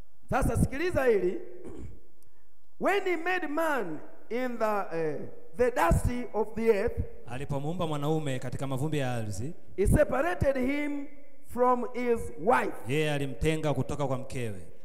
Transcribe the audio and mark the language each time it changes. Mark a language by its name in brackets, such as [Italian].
[Swahili] Sasa sikiliza hili. [English] When he made man in the the dust of the earth. [Swahili] Alipomuumba mwanaume katika mavumbi ya ardhi. [English] He separated him from his wife. [Swahili] Yeye alimtenga kutoka kwa mkewe.